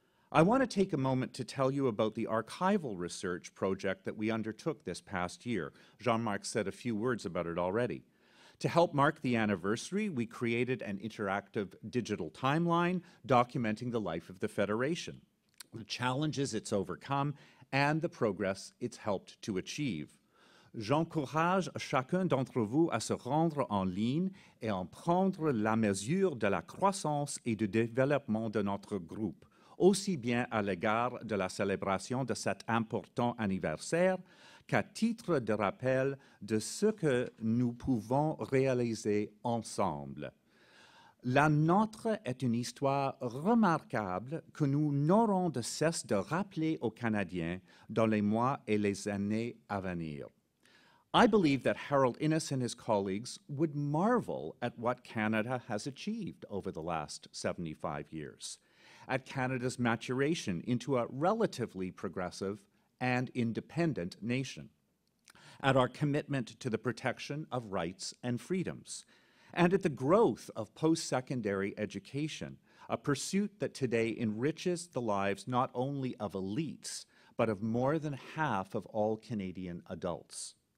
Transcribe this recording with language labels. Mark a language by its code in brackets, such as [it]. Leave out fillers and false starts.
[en] I want to take a moment to tell you about the archival research project that we undertook this past year. Jean-Marc said a few words about it already. To help mark the anniversary, we created an interactive digital timeline documenting the life of the Federation, the challenges it's overcome, and the progress it's helped to achieve. [fr] J'encourage chacun d'entre vous à se rendre en ligne et en prendre la mesure de la croissance et du développement de notre groupe. Aussi bien à l'égard de la célébration de cet important anniversaire qu'à titre de rappel de ce que nous pouvons réaliser ensemble. La nôtre est une histoire remarquable que nous n'aurons de cesse de rappeler aux Canadiens dans les mois et les années à venir. [en] I believe that Harold Innes and his colleagues would marvel at what Canada has achieved over the last 75 years. At Canada's maturation into a relatively progressive and independent nation, at our commitment to the protection of rights and freedoms, and at the growth of post-secondary education, a pursuit that today enriches the lives not only of elites, but of more than half of all Canadian adults.